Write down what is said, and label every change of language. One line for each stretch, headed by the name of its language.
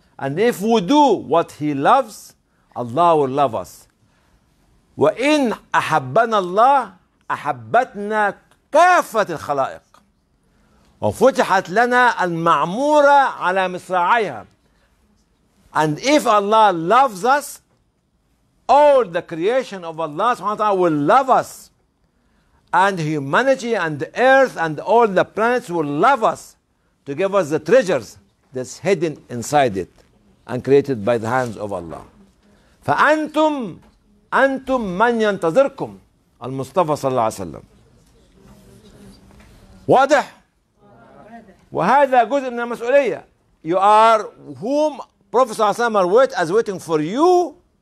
English: And if we do what he loves, Allah will love us.
Arabic: وإن أحبنا الله أحبتنا كافة الخلائق. وفتحت لنا المعمورة على مصراعيها.
English: And if Allah loves us, all the creation of Allah subhanahu wa ta'ala will love us. And humanity and the earth and all the planets will love us to give us the treasures that's hidden inside it and created by the hands of Allah.
Arabic: فأنتم أنتم من ينتظركم المصطفى صلى الله عليه وسلم. واضح؟ وهذا جزء من المسؤولية.
English: You are whom Prophet صلى الله عليه وسلم is waiting for you.